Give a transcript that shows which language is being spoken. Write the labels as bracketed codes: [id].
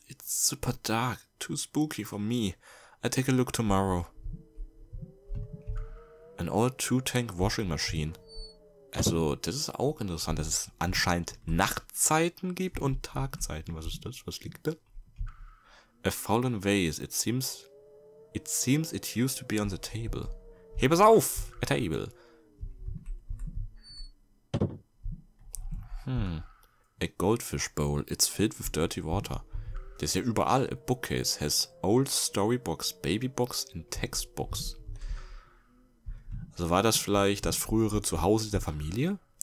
[en] It's super dark. Too spooky for me. I'll take a look tomorrow. An old two-tank washing machine. [de] Also, das ist auch interessant, dass es anscheinend Nachtzeiten gibt und Tagzeiten. Was ist das? Was liegt da? [en] A fallen vase. It seems it used to be on the table. [de] Heb es auf! [en] A table. A goldfish bowl. It's filled with dirty water. [de] Das ist ja überall. [en] A bookcase has old storybooks, babybooks and textbooks. [de] Also war das vielleicht das frühere Zuhause der Familie?